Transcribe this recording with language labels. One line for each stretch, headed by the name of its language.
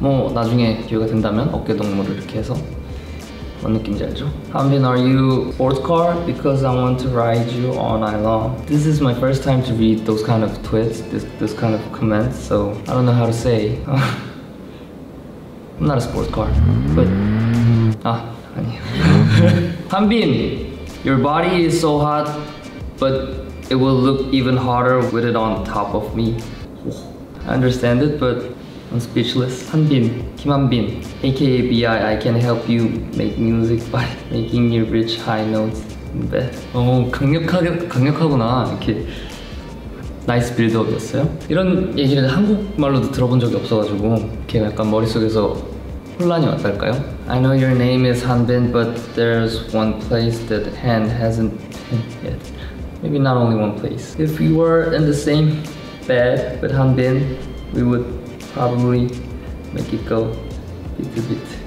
Korean: 뭐 나중에 기회가 된다면 어깨 동무를 이렇게 해서 뭔 느낌인지 알죠?
English: Hanbin, are you sports car? Because I want to ride you all night long. This is my first time to read those kind of tweets, this kind of comments, so I don't know how to say. I'm not a sports car, but... Ah,
Korean: 아니에요.
English: Hanbin, your body is so hot, but it will look even hotter with it on top of me. I understand it, but I'm speechless. Hanbin, Kim Hanbin, aka BI, I can help you make music by making your rich high notes. Bet.
Korean: Oh, 강력하게, 강력하구나, 이렇게. 나이스 빌드업이었어요. 이런 얘기를 한국말로도 들어본 적이 없어가지고 이렇게 약간 머릿속에서 혼란이 왔달까요?
English: I know your name is Hanbin, but there's one place that Han hasn't been yet. Maybe not only one place. If we were in the same bed with Hanbin, we would probably make it go BTBT.